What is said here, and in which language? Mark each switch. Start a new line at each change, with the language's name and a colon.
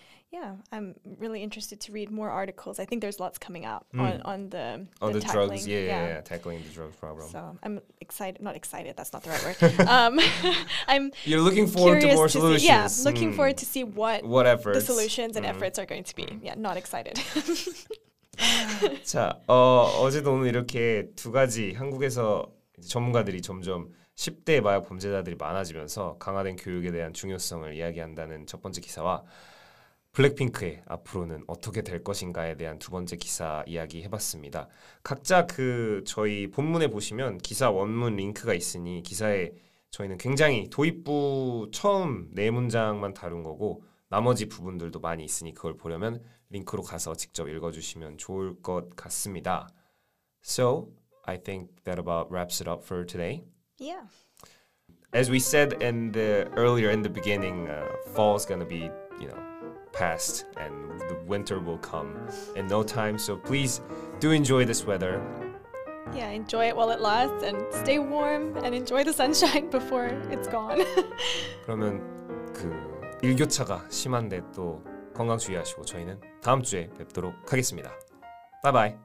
English: Yeah, I'm really interested to read more articles. I think there's lots coming out on the drugs. Yeah, tackling the drug problem. So I'm excited. Not excited. That's not the right word. You're looking forward to more solutions. Yeah, looking forward to see what efforts. The solutions and efforts are going to be. Yeah, not excited.
Korean: 자, 어제도 오늘 이렇게 두 가지 한국에서 이제 전문가들이 점점 10대 마약 범죄자들이 많아지면서 강화된 교육에 대한 중요성을 이야기한다는 첫 번째 기사와 블랙핑크의 앞으로는 어떻게 될 것인가에 대한 두 번째 기사 이야기 해봤습니다. 각자 그 저희 본문에 보시면 기사 원문 링크가 있으니 기사에 저희는 굉장히 도입부 처음 네 문장만 다룬 거고 나머지 부분들도 많이 있으니 그걸 보려면 링크로 가서 직접 읽어주시면 좋을 것 같습니다.
English: So, I think that about wraps it up for today. Yeah. As we said in the beginning, fall is going to be, you know, past and the winter will come in no time. So please do enjoy this weather. Yeah, enjoy it while it lasts and stay warm and enjoy the sunshine before it's gone.
Korean: 그러면 그 일교차가 심한데 또 건강 주의하시고 저희는 다음 주에 뵙도록 하겠습니다. Bye bye.